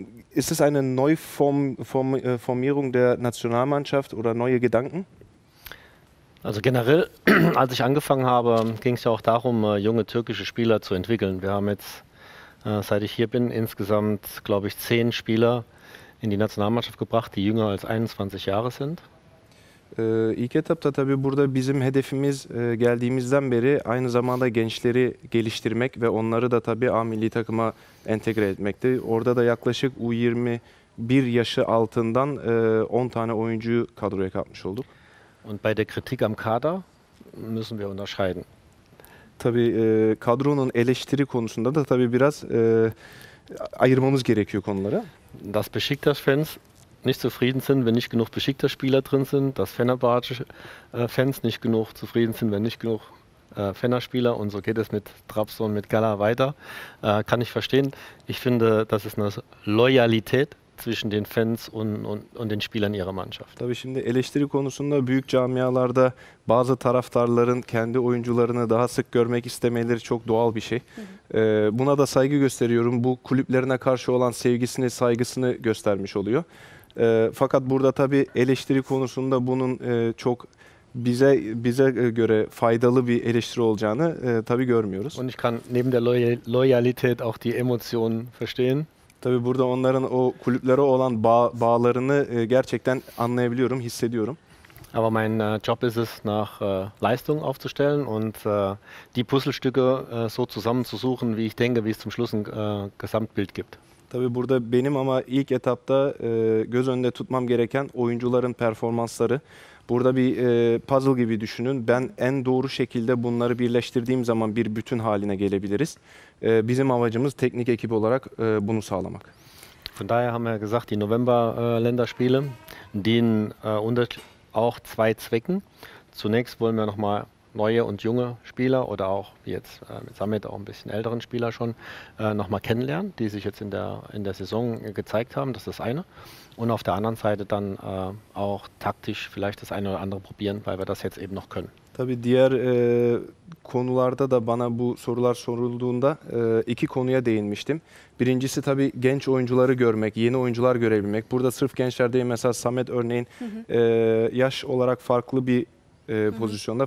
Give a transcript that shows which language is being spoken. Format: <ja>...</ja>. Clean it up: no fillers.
<de>Ist es eine Neuformierung der Nationalmannschaft oder neue Gedanken? Also generell, als ich angefangen habe, ging es ja auch darum, junge türkische Spieler zu entwickeln. Wir haben jetzt, seit ich hier bin, insgesamt, glaube ich, 10 Spieler in die Nationalmannschaft gebracht, die jünger als 21 Jahre sind.</de> <tr>İlk etapta tabii burada bizim hedefimiz geldiğimizden beri aynı zamanda gençleri geliştirmek ve onları da tabii A milli takıma entegre etmekti. Orada da yaklaşık U21 yaşı altından 10 tane oyuncuyu kadroya katmış olduk.</tr> <de>Und bei der Kritik am Kader müssen wir unterscheiden.</de> <tr>Tabii kadronun eleştiri konusunda da tabii biraz ayırmamız gerekiyor konuları.</tr> <de>Dass Beşiktaş-Fans nicht zufrieden sind, wenn nicht genug Beşiktaş-Spieler drin sind, dass Fenerbahçe-Fans nicht genug zufrieden sind, wenn nicht genug Fener-Spieler und so geht es mit Trabzon, mit Gala weiter, kann ich verstehen. Ich finde, das ist eine Loyalität zwischen den Fans und den Spielern ihrer Mannschaft.</de> <tr>Tabii şimdi eleştiri konusunda büyük camialarda bazı taraftarların kendi oyuncularını daha sık görmek istemeleri çok doğal bir şey. Buna da saygı gösteriyorum. Bu kulüplerine karşı olan sevgisini, saygısını göstermiş oluyor. Fakat burada tabii eleştiri konusunda bunun çok bize göre faydalı bir eleştiri olacağını tabii görmüyoruz.</tr> <de>Und ich kann neben der Loyalität auch die Emotionen verstehen.</de> <tr>Tabii burada onların o kulüplere olan bağlarını gerçekten anlayabiliyorum, hissediyorum.</tr> <de>Aber mein Job ist es, nach Leistung aufzustellen und die Puzzlestücke so zusammenzusuchen, wie ich denke, wie es zum Schluss ein Gesamtbild gibt.</de> <tr>Tabii burada benim ama ilk etapta göz önünde tutmam gereken oyuncuların performansları. Burada bir puzzle gibi düşünün. Ben en doğru şekilde bunları birleştirdiğim zaman bir bütün haline gelebiliriz. Bizim amacımız teknik ekip olarak bunu sağlamak.</tr> <de>Von daher haben wir gesagt, die November Länderspiele dienen unter auch zwei Zwecken. Zunächst wollen wir nochmal neue und junge Spieler oder auch wie jetzt mit Samet auch ein bisschen älteren Spieler schon nochmal kennenlernen, die sich jetzt in der Saison gezeigt haben. Das ist das eine. Und auf der anderen Seite dann auch taktisch vielleicht das eine oder andere probieren, weil wir das jetzt eben noch können.</de> <tr>Tabii diğer konularda da bana bu sorular sorulduğunda iki konuya değinmiştim. Birincisi tabii genç oyuncuları görmek, yeni oyuncular görebilmek. Burada sırf gençler değil, mesela Samet örneğin yaş olarak farklı bir pozisyonda.</tr>